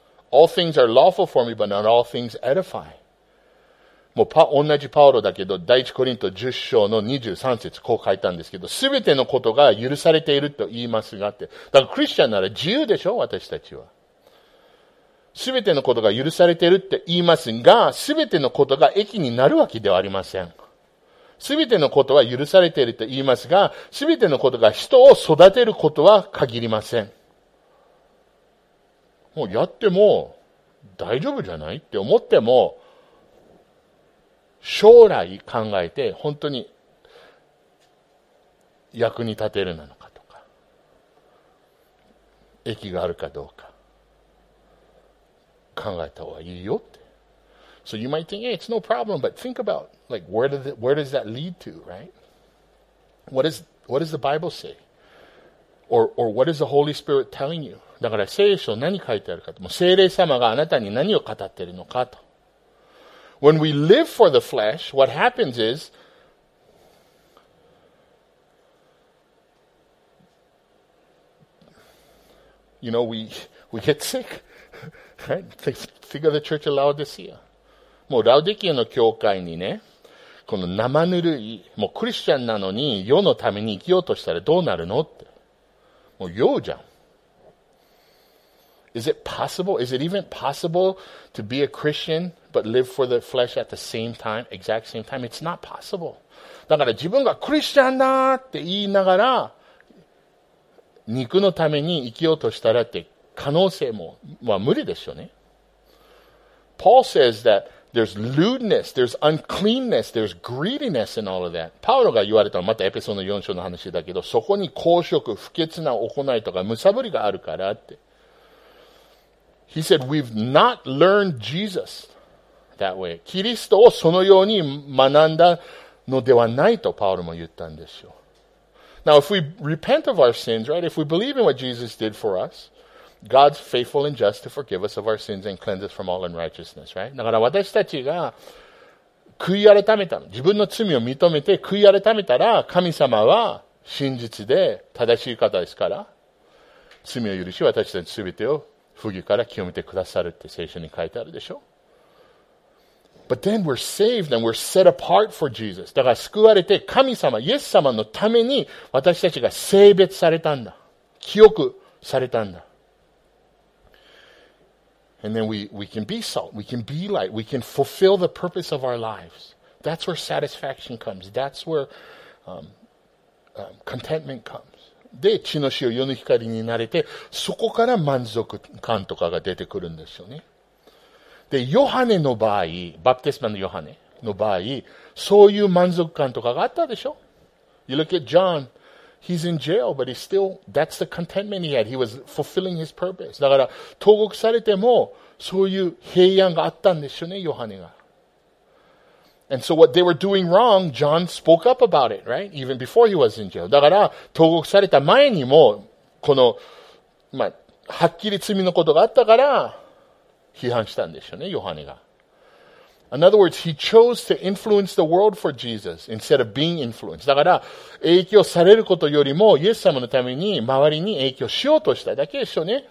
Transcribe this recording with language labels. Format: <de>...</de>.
<en>All things are lawful for me, but not all things edify.</en> <ja>もう同じパウロだけど、第一コリント10章の23節こう書いたんですけど、すべてのことが許されていると言いますがって。だからクリスチャンなら自由でしょ、私たちは。すべてのことが許されているって言いますが、すべてのことが益になるわけではありません。すべてのことは許されていると言いますが、すべてのことが人を育てることは限りません。もうやっても大丈夫じゃないって思っても将来考えて本当に役に立てるなのかとか益があるかどうか考えた方がいいよって。</ja> <en>So you might think, hey, it's no problem, but think about like where does that lead to, right? What does the Bible say? Or what is the Holy Spirit telling you?</en> <ja>だから聖書何書いてあるかと。もう聖霊様があなたに何を語っているのかと。</ja> <en>When we live for the flesh, what happens is, you know, we get sick. Think of the church of Laodicea.</en> <ja>もうラオディキアの教会にね、この生ぬるい、もうクリスチャンなのに世のために生きようとしたらどうなるのって。もう世じゃん。</ja> <en>Is it possible? Is it even possible to be a Christian but live for the flesh at the same time, exact same time? It's not possible.</en> <ja>だから自分がクリスチャンだって言いながら肉のために生きようとしたらって可能性も、まあ、無理でしょうね。</ja> <en>Paul says that there's lewdness, there's uncleanness, there's greediness in all of that.</en> <ja>パウロが言われたのはまたエペソの4章の話だけど、そこに公職、不潔な行いとかむさぶりがあるからって。</ja> <en>He said, we've not learned Jesus that way.</en> <ja>キリストをそのように学んだのではないとパウロも言ったんですよ。</ja> <en>Now, if we repent of our sins, right? If we believe in what Jesus did for us, God's faithful and just to forgive us of our sins and cleanse us from all unrighteousness, right?</en> <ja>だから私たちが悔い改めた、自分の罪を認めて悔い改めたら神様は真実で正しい方ですから、罪を許し私たち全てを不義から清めてくださるって聖書に書いてあるでしょ。</ja> <en>But then we're saved and we're set apart for Jesus.</en> <ja>だから救われて神様、イエス様のために私たちが性別されたんだ。清くされたんだ。</ja> <en>And then we can be salt, we can be light, we can fulfill the purpose of our lives. That's where satisfaction comes. That's where contentment comes.</en> <ja>で、血の塩、世の光になれて、そこから満足感とかが出てくるんですよね。で、ヨハネの場合、バプテスマのヨハネの場合、そういう満足感とかがあったでしょ。</ja> <en>You look at John. He's in jail, but he's still, that's the contentment he had. He was fulfilling his purpose.</en> <ja>だから、投獄されても、そういう平安があったんでしょうね、ヨハネが。</ja> <en>And so what they were doing wrong, John spoke up about it, right? Even before he was in jail.</en> <ja>だから、投獄された前にも、この、まあ、はっきり罪のことがあったから、批判したんでしょうね、ヨハネが。</ja> <en>In other words, he chose to influence the world for Jesus instead of being influenced.</en> <ja>だから、影響されることよりも、イエス様のために周りに影響しようとしただけでしょうね。</ja>